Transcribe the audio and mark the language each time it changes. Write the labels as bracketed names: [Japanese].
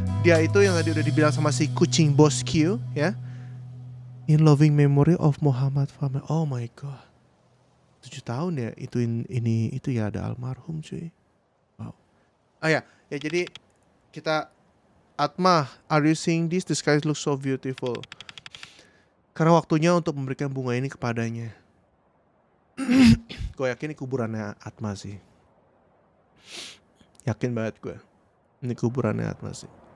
[Indonesian] Dia itu yang tadi udah dibilang sama si kucing bos Q ya. [English] In loving memory of Muhammad Fahmi. Oh my god. [Indonesian] 7 tahun ya itu ini itu ya ada almarhum cuy. Wow. Ah ya, ya jadi kita [English] Atma, are you seeing this? The sky looks so beautiful. [Indonesian] Karena waktunya untuk memberikan bunga ini kepadanya. Gue yakin ini kuburannya Atma sih. Yakin banget gue. Ini kuburannya Atma sih.